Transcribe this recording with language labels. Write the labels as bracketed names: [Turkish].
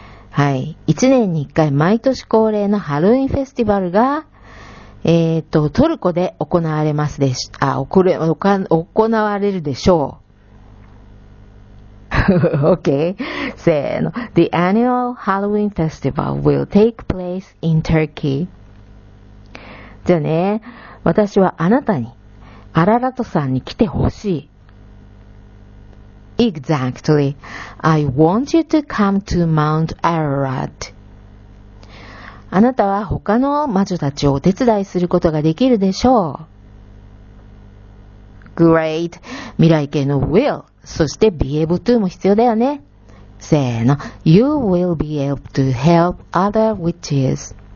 [Japanese] はい、一年に一回毎年恒例のハロウィンフェスティバルがトルコで行われますでし、あ、行われるでしょう。 [English] OK。 [Japanese] せーの。 [English] The annual Halloween festival will take place in Turkey。 [Japanese] じゃあね、私はあなたに、アララトさんに来てほしい。 [English] Exactly。 I want you to come to Mount Ararat。 [Japanese] あなたは他の魔女たちをお手伝いすることができるでしょう。 [English] Great。 [Japanese] 未来形の will、 そして be able to も必要だよね。せーの。 [English] You will be able to help other witches。